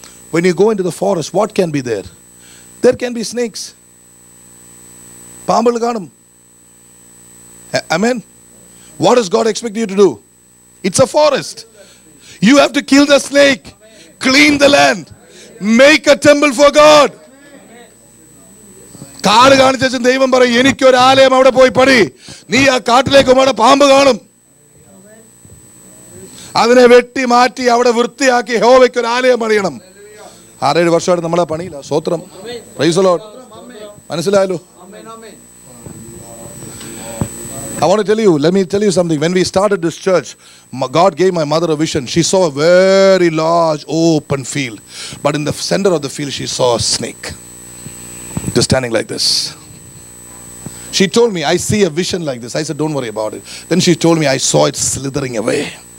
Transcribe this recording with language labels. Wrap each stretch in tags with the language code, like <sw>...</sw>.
<en>When you go into the forest, what can be there? There can be snakes.</en> <ml>Paambal kaanum.</ml> <en>Amen. What does God expect you to do? It's a forest. You have to kill the snake. Clean the land. Make a temple for God.</en> <ml>കാട് കാണിച്ചു ദൈവം പറയും എനിക്കൊരു ആലയം അവിടെ പോയി പണി. നീ ആ കാട്ടിലേക്ക് അവിടെ പാമ്പ് കാണും, അതിനെ വെട്ടി മാറ്റി അവിടെ വൃത്തിയാക്കി യഹോവയ്ക്ക് ഒരു ആലയം പണിയണം. ആറേഴ് വർഷമായിട്ട് നമ്മളെ പണിയില്ല. സ്തോത്രം.</ml> <en>Praise the Lord.</en> <ml>മനസ്സിലായല്ലോ.</ml> <en>I want to tell you, let me tell you something. When we started this church, God gave my mother a vision. She saw a very large open field. But in the center of the field, she saw a snake. Just standing like this. She told me, I see a vision like this. I said, don't worry about it. Then she told me, I saw it slithering away.</en>